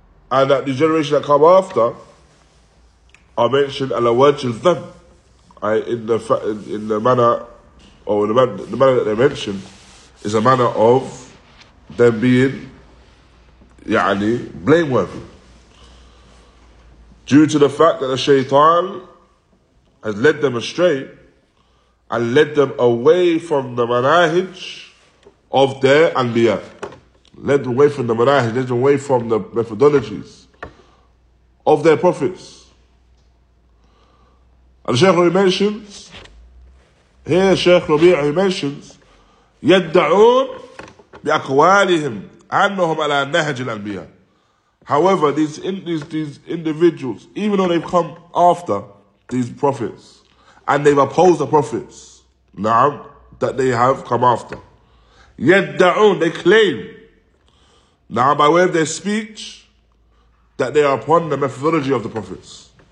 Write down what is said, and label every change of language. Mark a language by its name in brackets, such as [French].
[English] And that the generation that come after are mentioned [Arabic] ala wajh al-dhamm, [English] in the manner that they mentioned is a manner of them being ya'ani blameworthy, due to the fact that the shaitan has led them astray and led them away from the manahij of their anbiya. Led them away from the manahij, led them away from the methodologies of their prophets. And Shaykh Rabi mentions, here Shaykh Rabi mentions, [Arabic] يدعون بأقوالهم أنهم على نهج الأنبياء. [English] However, these individuals, even though they've come after these prophets, and they've opposed the prophets, نعم, that they have come after. يدعون, they claim, now, by way of their speech, that they are upon the methodology of the prophets.